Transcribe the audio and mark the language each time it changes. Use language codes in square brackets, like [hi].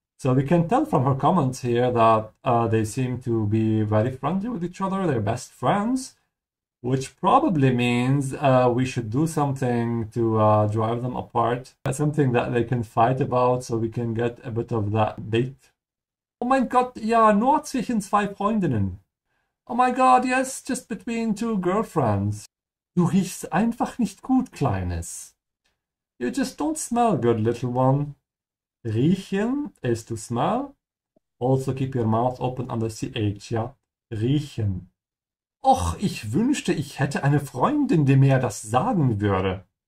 [en] So we can tell from her comments here that they seem to be very friendly with each other. They're best friends. Which probably means we should do something to drive them apart. Something that they can fight about so we can get a bit of that date. [de] Oh mein Gott, ja, nur zwischen zwei Freundinnen. [en] Oh my god, yes, just between two girlfriends. [de] Du riechst einfach nicht gut, Kleines. [en] You just don't smell good, little one. Riechen is to smell. Also keep your mouth open on the ch, ja? [de] Riechen. Och, ich wünschte, ich hätte eine Freundin, die mir das sagen würde.